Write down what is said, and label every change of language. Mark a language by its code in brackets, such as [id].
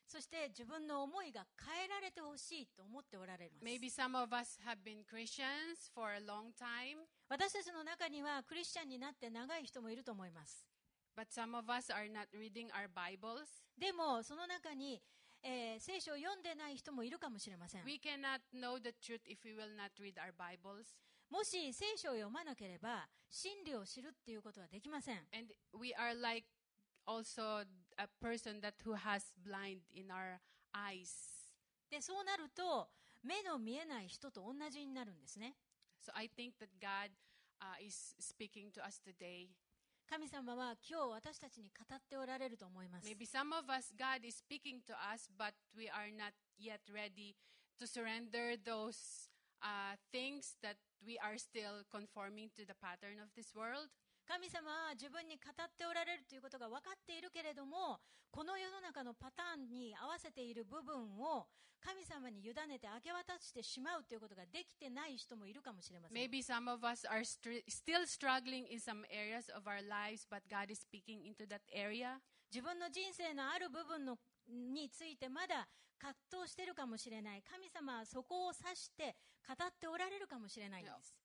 [ja] そして自分の思いが変えられてほしいと思っておられます。 [en] Maybe some of us have been Christians for a long time. [ja] 私たちの中にはクリスチャンになって長い人もいると思います。 [en] But some of us are not reading our Bibles. [ja] でもその中に、聖書を読んでない人もいるかもしれません。 [en] We cannot know the truth if we will not read our Bibles. [ja] もし聖書を読まなければ真理を知るっていうことはできません。 [en] And we are like also a person that who has blind in our eyes. [ja] で、そうなると目の見えない人と同じになるんですね。 [en] So I think that God is speaking to us today. [ja] 神様は今日私たちに語っておられると思います。 [en] Maybe some of us God is speaking to us, but we are not yet ready to surrender those things that we are still conforming to the pattern of this world. [ja] 神様は自分に語っておられるということが分かっているけれども、この世の中のパターンに合わせている部分を神様に委ねて明け渡してしまうということができてない人もいるかもしれません。 [en] Maybe some of us are still struggling in some areas of our lives, but God is speaking into that area. [ja] 自分の人生のある部分のについてまだ葛藤しているかもしれない。神様はそこを指して語っておられるかもしれないんです。